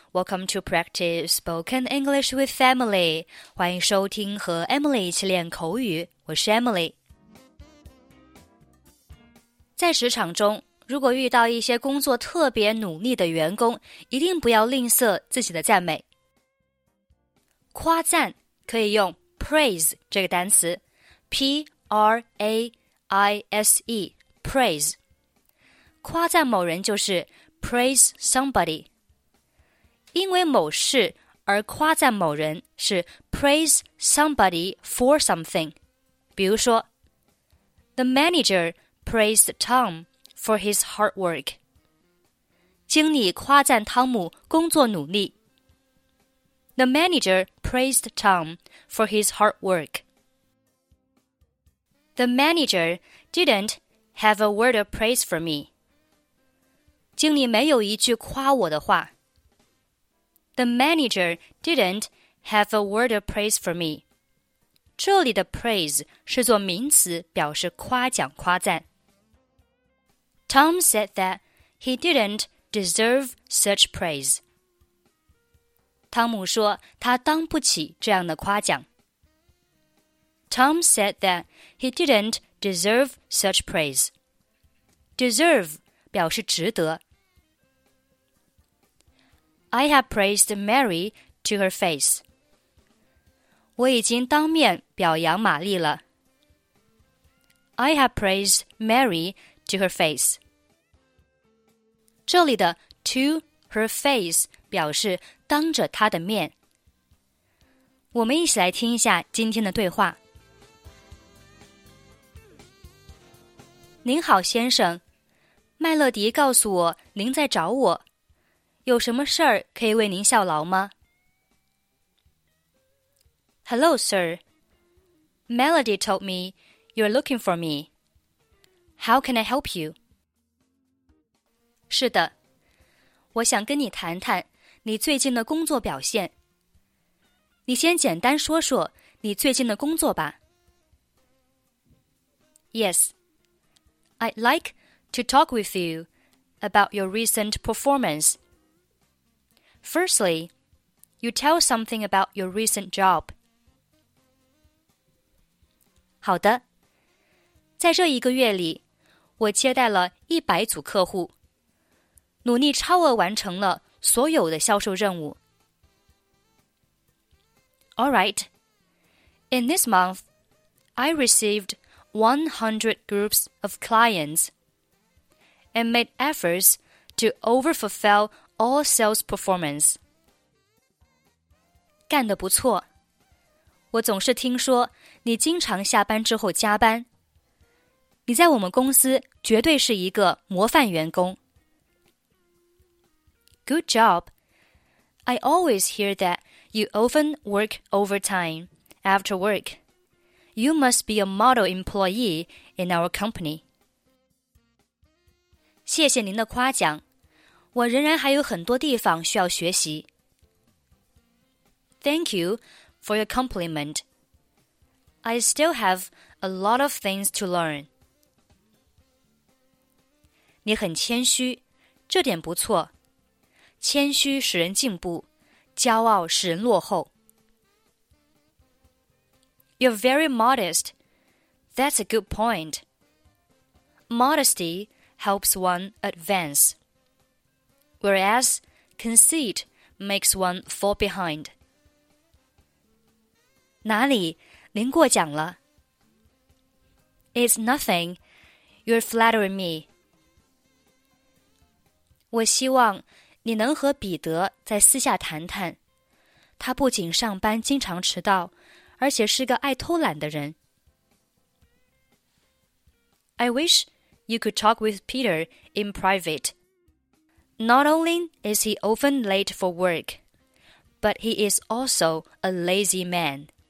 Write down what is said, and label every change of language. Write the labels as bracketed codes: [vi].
[en] Welcome to Practice Spoken English with Emily. [zh] 欢迎收听和 Emily 一起练口语。我是 Emily。在职场中，如果遇到一些工作特别努力的员工，一定不要吝啬自己的赞美。夸赞可以用 praise 这个单词 ,P-R-A-I-S-E, praise。夸赞某人就是 [en] Praise somebody. [zh] 因为某事而夸赞某人是 [en] praise somebody for something. [zh] 比如说 [en] The manager praised Tom for his hard work. [zh] 经理夸赞汤姆工作努力。 [en] The manager praised Tom for his hard work. The manager didn't have a word of praise for me. [zh] 经理没有一句夸我的话。 [en] The manager didn't have a word of praise for me. [zh] 这里的 praise 是做名词表示夸奖夸赞。 [en] Tom said that he didn't deserve such praise. [zh] 汤姆说他当不起这样的夸奖。 [en] Tom said that he didn't deserve such praise. [zh] Deserve 表示值得。 [en] I have praised Mary to her face. [zh] 我已经当面表扬玛丽了。 [en] I have praised Mary to her face. [zh] 这里的 [en] to her face [zh] 表示当着她的面。我们一起来听一下今天的对话。您好，先生。麦乐迪告诉我您在找我。有什么事儿可以为您效劳吗? [en] Hello, sir. Melody told me you're looking for me. How can I help you? [zh] 是的,我想跟你谈谈你最近的工作表现。你先简单说说你最近的工作吧。 [en] Yes, I'd like to talk with you about your recent performance. Firstly, you tell something about your recent job. [zh] 好的。在这一个月里，我接待了100组客户，努力超额完成了所有的销售任务。 [en] All right. In this month, I received 100 groups of clients and made efforts to overfulfill all sales performance. [zh] 干得不错。我总是听说你经常下班之后加班。你在我们公司绝对是一个模范员工。 [en] Good job. I always hear that you often work overtime after work. You must be a model employee in our company. [zh] 谢谢您的夸奖。我仍然还有很多地方需要学习。 [en] Thank you for your compliment. I still have a lot of things to learn. [zh] 你很谦虚，这点不错。谦虚使人进步，骄傲使人落后。 [en] You're very modest. That's a good point. Modesty helps one advance. Whereas, conceit makes one fall behind. [zh] 哪里？您过奖了。 [en] It's nothing. You're flattering me. [zh] 我希望你能和彼得在私下谈谈。他不仅上班经常迟到，而且是个爱偷懒的人。 [en] I wish you could talk with Peter in private. Not only is he often late for work, but he is also a lazy man.